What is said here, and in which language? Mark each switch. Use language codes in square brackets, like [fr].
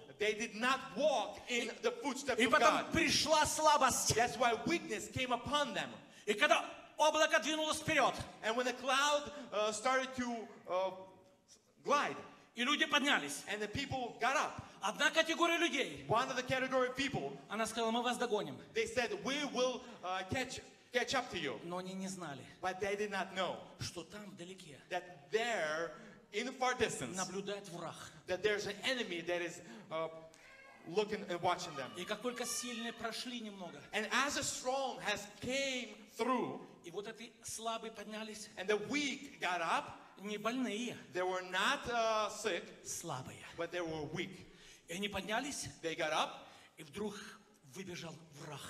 [en] They did not walk in the footsteps of God. [ru] И потом пришла слабость. [en] That's why weakness came upon them. [ru] И когда облако двинулось вперед. [en] And when the cloud started to glide. [ru] И люди поднялись. [en] And the people got up. [ru] Одна категория людей. [en] One of the category of people. [ru] Она сказала, мы вас догоним. [en] They said, we will catch up to you. [ru] Но они не знали. [en] But they did not know. [ru] Что там вдалеке. [en] That there. In the far distance, [ru] наблюдает враг. [en] That there's an enemy that is looking and watching them. [ru] И как только сильные прошли немного. [en] And as the strong has came through. [ru] И вот эти слабые поднялись. [en] And the weak got up. [ru] Не больные. [en] They were not sick. [ru] Слабые. [en] But they were weak. [ru] И они поднялись. [en] They got up. [ru] И вдруг выбежал враг.